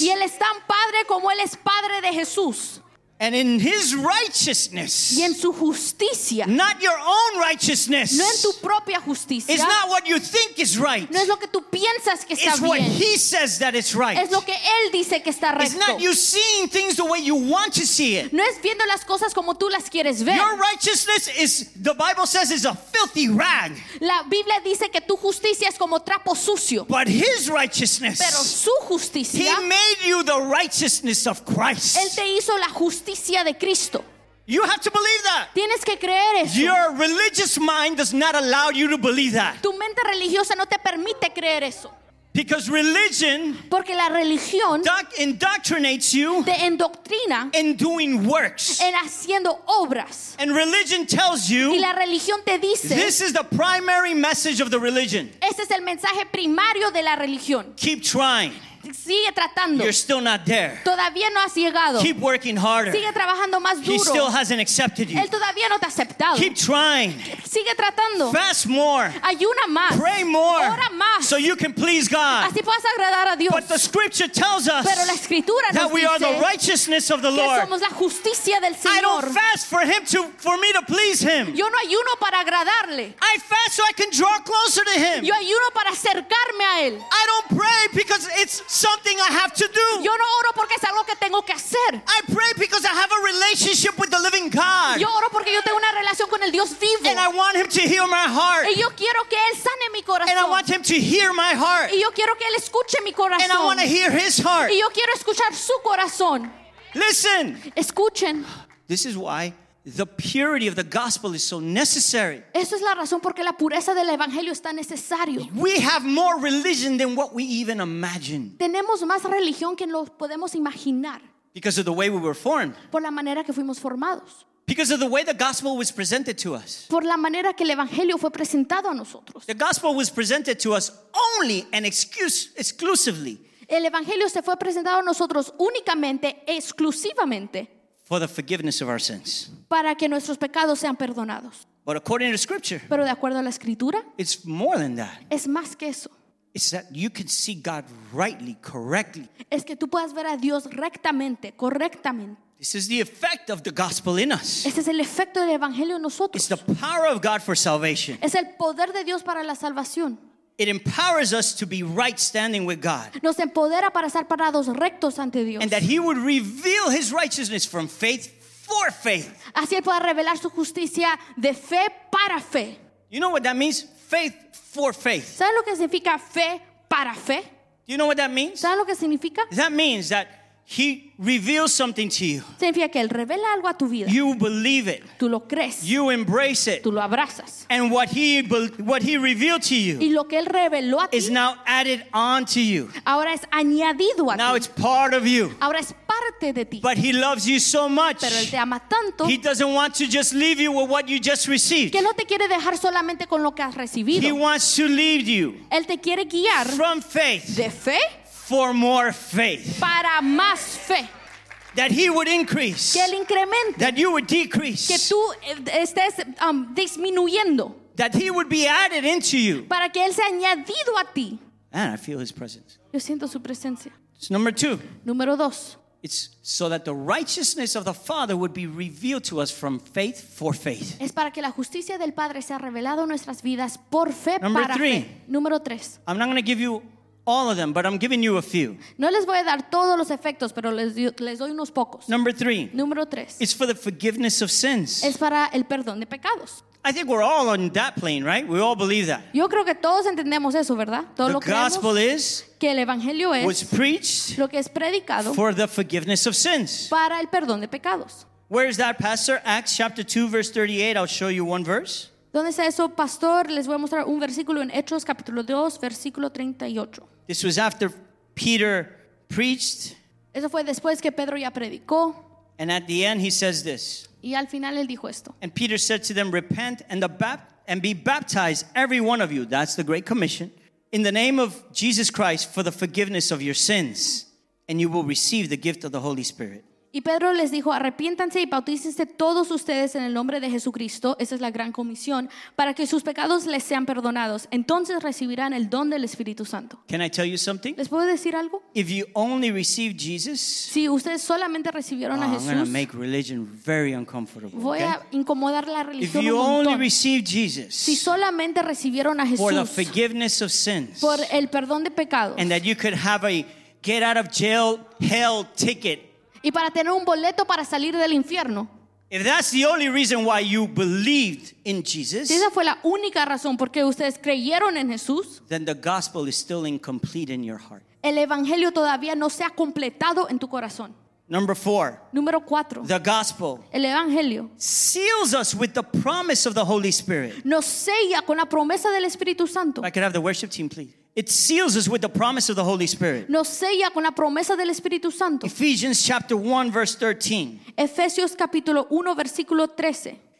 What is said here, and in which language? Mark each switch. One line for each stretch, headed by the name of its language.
Spanish: Y él es tan padre como él es padre de Jesús.
English: And in his righteousness.
Spanish: Y en su justicia.
English: Not your own righteousness.
Spanish: No en tu propia justicia.
English: It's not what you think is right.
Spanish: No es lo que tú piensas que está
English: it's
Spanish: bien.
English: What he says that it's right.
Spanish: Es lo que él dice que está recto.
English: It's not you seeing things the way you want to see it.
Spanish: No es viendo las cosas como tú las quieres ver.
English: Your righteousness is, the Bible says, is a filthy rag.
Spanish: La Biblia dice que tu justicia es como trapo sucio.
English: But his righteousness.
Spanish: Pero su justicia.
English: He made you the righteousness of Christ.
Spanish: Él te hizo la justicia.
English: You have to believe that.
Spanish: Tienes que creer eso.
English: Your religious mind does not allow you to believe that.
Spanish: Tu mente religiosa no te permite creer eso.
English: Because religion,
Spanish: porque la religión,
English: indoctrinates you,
Spanish: te endoctrina,
English: in doing works,
Spanish: en haciendo obras,
English: and religion tells you,
Spanish: y la religión te dice,
English: this is the primary message of the religion.
Spanish: Ese es el mensaje primario de la religión.
English: Keep trying.
Spanish: Sigue tratando.
English: You're still not there.
Spanish: Todavía no has llegado.
English: Keep working harder.
Spanish: Sigue trabajando más duro.
English: He still hasn't accepted you.
Spanish: Él todavía no te ha aceptado.
English: Keep trying.
Spanish: Sigue tratando.
English: Fast more.
Spanish: Ayuna más.
English: Pray more.
Spanish: Ora más.
English: So you can please God.
Spanish: Así puedas agradar a Dios.
English: But the Scripture tells us
Spanish: pero la Escritura nos
English: that we are the righteousness of the Lord.
Spanish: Que somos la justicia del Señor.
English: I don't fast for him to for me to please him.
Spanish: Yo no ayuno para agradarle.
English: I fast so I can draw closer to him.
Spanish: Yo ayuno para acercarme a él.
English: I don't pray because it's something I have to do.
Spanish: Yo no oro porque es algo que tengo que hacer.
English: I pray because I have a relationship with the living God.
Spanish: Yo oro porque yo tengo una relación con el Dios vivo.
English: And I want him to heal my heart.
Spanish: Y yo quiero que él sane mi corazón.
English: And I want him to hear my heart.
Spanish: Y yo quiero que él escuche mi corazón.
English: And I want to hear his heart.
Spanish: Y yo quiero escuchar su corazón.
English: Listen.
Spanish: Escuchen.
English: This is why the purity of the gospel is so necessary.
Spanish: Eso es la razón porque la pureza del evangelio está necesario.
English: We have more religion than what we even imagine.
Spanish: Tenemos más religión que lo podemos imaginar.
English: Because of the way we were formed.
Spanish: Por la manera que fuimos formados.
English: Because of the way the gospel was presented to us.
Spanish: Por la manera que el evangelio fue presentado a nosotros.
English: The gospel was presented to us only and exclusively.
Spanish: El evangelio se fue presentado a nosotros únicamente, exclusivamente.
English: For the forgiveness of our sins.
Spanish: Para que nuestros pecados sean perdonados.
English: But according to Scripture.
Spanish: Pero de acuerdo a la Escritura.
English: It's more than that.
Spanish: Es más que eso.
English: It's that you can see God rightly, correctly.
Spanish: Es que tú puedas ver a Dios rectamente, correctamente.
English: This is the effect of the gospel in us.
Spanish: Este es el efecto del evangelio en nosotros.
English: It's the power of God for salvation.
Spanish: Es el poder de Dios para la salvación.
English: It empowers us to be right standing with God.
Spanish: Nos empodera para estar parados rectos ante Dios.
English: And that he would reveal his righteousness from faith for faith.
Spanish: Así él pueda revelar su justicia de fe para fe.
English: You know what that means? Faith for faith.
Spanish: ¿Sabes lo que significa fe para fe?
English: Do you know what that means?
Spanish: ¿Sabes lo que significa?
English: That means that he reveals something to you.
Spanish: Significa que él revela algo a tu vida.
English: You believe it.
Spanish: Tú lo crees.
English: You embrace it.
Spanish: Tú lo abrazas.
English: And what he revealed to you
Spanish: y lo que él reveló a ti
English: is now added on to you.
Spanish: Ahora es añadido a ti.
English: Now it's part of you.
Spanish: Ahora es parte de ti.
English: But he loves you so much.
Spanish: Pero él te ama tanto.
English: He doesn't want to just leave you with what you just received.
Spanish: Que no te quiere dejar solamente con lo que has recibido.
English: He wants to lead you.
Spanish: Él te quiere guiar
English: from faith.
Spanish: De fe.
English: For more faith.
Spanish: Para más fe.
English: That he would increase.
Spanish: Que él incremente.
English: That you would decrease.
Spanish: Que tú estés disminuyendo.
English: That he would be added into you.
Spanish: Para que él sea añadido a ti.
English: And I feel his presence.
Spanish: Yo siento su presencia.
English: It's number two.
Spanish: Número dos.
English: It's so that the righteousness of the Father would be revealed to us from faith for faith.
Spanish: Es para que la justicia del Padre sea revelado en nuestras vidas por fe para fe.
English: Number three.
Spanish: Número tres.
English: I'm not going to give you all of them, but I'm giving you a few.
Spanish: No les voy a dar todos los efectos, pero les doy unos pocos.
English: Number three.
Spanish: Número tres.
English: It's for the forgiveness of sins.
Spanish: Es para el perdón de pecados.
English: I think we're all on that plane, right? We all believe that.
Spanish: Yo creo que todos entendemos eso, ¿verdad? Todo
English: lo gospel is
Spanish: que el evangelio es
English: was preached
Spanish: lo que es predicado
English: for the forgiveness of sins.
Spanish: Para el perdón de pecados.
English: Where is that, Pastor? Acts chapter 2, verse 38. I'll show you one verse.
Spanish: ¿Dónde está eso, Pastor? Les voy a mostrar un versículo en Hechos, capítulo 2, versículo 38.
English: This was after Peter preached.
Spanish: Eso fue después que Pedro ya predicó.
English: And at the end he says this.
Spanish: Y al final él dijo esto.
English: And Peter said to them, repent and be baptized, every one of you. That's the Great Commission. In the name of Jesus Christ for the forgiveness of your sins. And you will receive the gift of the Holy Spirit.
Spanish: Y Pedro les dijo, arrepiéntanse y bautícense todos ustedes en el nombre de Jesucristo. Esa es la gran comisión. Para que sus pecados les sean perdonados. Entonces recibirán el don del Espíritu Santo.
English: Can I tell you something?
Spanish: ¿Les puedo decir algo?
English: If you only receive Jesus,
Spanish: si ustedes solamente recibieron a Jesús,
English: I'm going to make religion very uncomfortable,
Spanish: voy
English: okay?
Spanish: a incomodar la religión
English: if you
Spanish: un
English: only
Spanish: montón.
English: Receive Jesus,
Spanish: si solamente recibieron a Jesús
English: for the forgiveness of sins,
Spanish: por el perdón de pecados,
English: and that you could have a get out of jail hell ticket,
Spanish: y para tener un boleto para salir del infierno.
English: If that's the only reason why you believed in Jesus,
Spanish: si esa fue la única razón por qué ustedes creyeron en Jesús,
English: then the gospel is still incomplete in your heart.
Spanish: El evangelio todavía no se ha completado en tu corazón.
English: Number four.
Spanish: Número cuatro.
English: The gospel.
Spanish: El evangelio.
English: Seals us with the promise of the Holy Spirit.
Spanish: Nos sella con la promesa del Espíritu Santo.
English: If I could have the worship team, please. It seals us with the promise of the Holy Spirit.
Spanish: Nos sella con la promesa del Espíritu Santo.
English: Ephesians chapter 1 verse 13.
Spanish: Efesios capítulo 1 versículo 13.